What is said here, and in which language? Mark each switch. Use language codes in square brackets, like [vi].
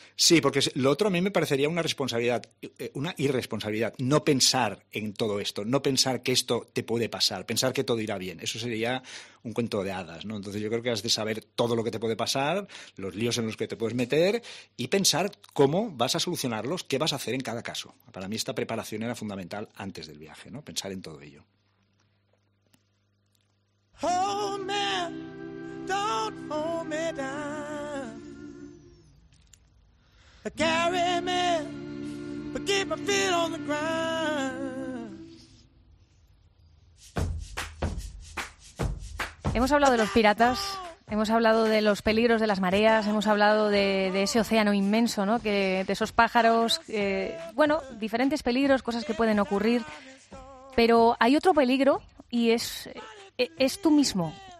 [es] Sí, porque lo otro a mí me parecería una responsabilidad, una irresponsabilidad, no pensar en todo esto, no pensar que esto te puede pasar, pensar que todo irá bien. Eso sería un cuento de hadas, ¿no? Entonces yo creo que has de saber todo lo que te puede pasar, los líos en los que te puedes meter y pensar cómo vas a solucionarlos, qué vas a hacer en cada caso. Para mí esta preparación era fundamental antes del viaje, ¿no? Pensar en todo ello. [en] Hold me, don't hold me down. Carry me, but keep my feet on the ground. [es] Hemos hablado de los piratas, hemos hablado de los peligros de las mareas, hemos hablado de ese océano inmenso, ¿no? Que de esos pájaros, bueno, diferentes peligros, cosas que pueden ocurrir, pero hay otro peligro y es tú mismo.